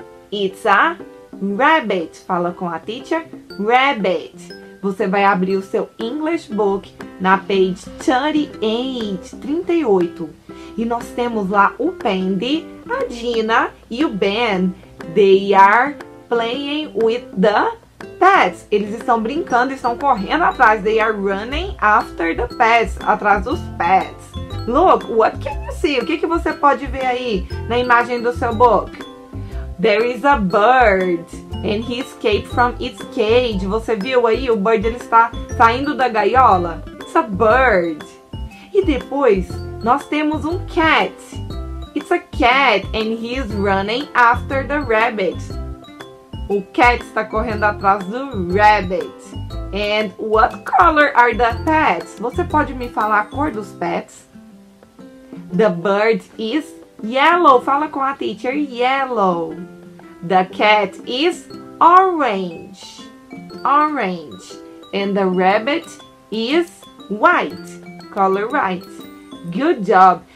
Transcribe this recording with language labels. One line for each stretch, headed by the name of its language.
English: It's a rabbit.
Portuguese: Fala com a
English: teacher. Rabbit.
Portuguese: Você vai abrir o seu English Book na page 38. E nós temos lá o Pandy, a Gina e o Ben.
English: They are playing with the pets.
Portuguese: Eles estão brincando e estão correndo atrás.
English: They are running after the pets.
Portuguese: Atrás dos pets.
English: Look, what can you see?
Portuguese: O que, que você pode ver aí na imagem do seu book?
English: There is a bird. And he escaped from its cage.
Portuguese: Você viu aí? O bird, ele está saindo da gaiola.
English: It's a bird.
Portuguese: E depois, nós temos um cat.
English: It's a cat. And he is running after the rabbit.
Portuguese: O cat está correndo atrás do rabbit.
English: And what color are the pets?
Portuguese: Você pode me falar a cor dos pets?
English: The bird is yellow.
Portuguese: Fala com a
English: teacher. Yellow. The cat is orange. Orange. And the rabbit is white. Color white. Good job.